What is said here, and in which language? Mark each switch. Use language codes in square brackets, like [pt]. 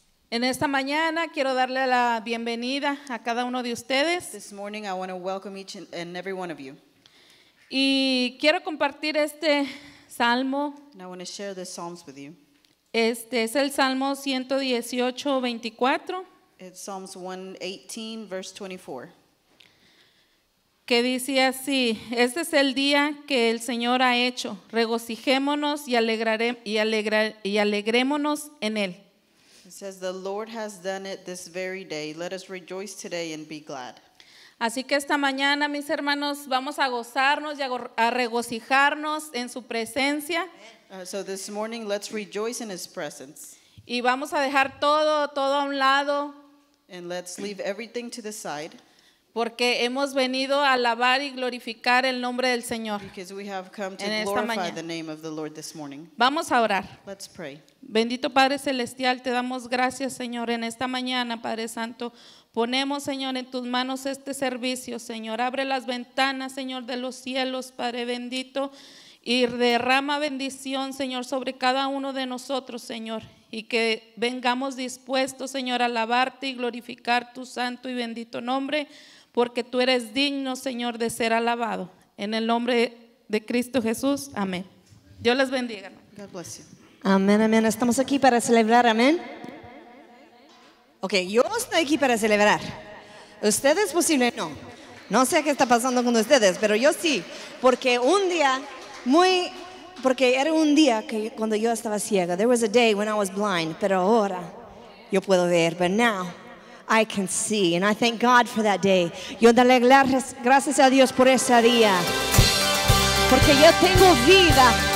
[es] En esta mañana quiero darle la bienvenida a cada uno de ustedes. [en] This morning I want to welcome each and every one of you. [es] Y quiero compartir este salmo. [en] And I want to share the Psalms with you. [es] Este es el Salmo 118:24. [en] It's Psalms 118, verse 24. [es] Que dice así: este es el día que el Señor ha hecho, regocijémonos y alegrémonos en él. [en] It says the Lord has done it this very day, let us rejoice today and be glad. [es] Así que esta mañana, mis hermanos, vamos a gozarnos y a regocijarnos en su presencia. [en] So this morning let's rejoice in his presence. [es] Y vamos a dejar todo a un lado. [en] And let's leave everything to the side. [es] Porque hemos venido a alabar y glorificar el nombre del Señor. [en] Because we have come to glorify the name of the Lord this morning. [es] Vamos a orar. [en] Let's pray. [es] Bendito Padre Celestial, te damos gracias, Señor, en esta mañana, Padre Santo. Ponemos, Señor, en tus manos este servicio, Señor. Abre las ventanas, Señor, de los cielos, Padre bendito. Y derrama bendición, Señor, sobre cada uno de nosotros, Señor. Y que vengamos dispuestos, Señor, a alabarte y glorificar tu santo y bendito nombre, porque tú eres digno, Señor, de ser alabado. En el nombre de Cristo Jesús, amén. Dios les bendiga. [en] God bless you. [es] Amén, amén. Estamos aquí para celebrar, amén. Ok, yo estoy aquí para celebrar. Ustedes posible no. No sé qué está pasando con ustedes, pero yo sí. Porque un día, porque era un día que cuando yo estaba ciega. [en] There was a day when I was blind, [es] pero ahora yo puedo ver. [en] But now I can see, and I thank God for that day. [es] Yo dale gracias a Dios por ese día, porque yo tengo vida.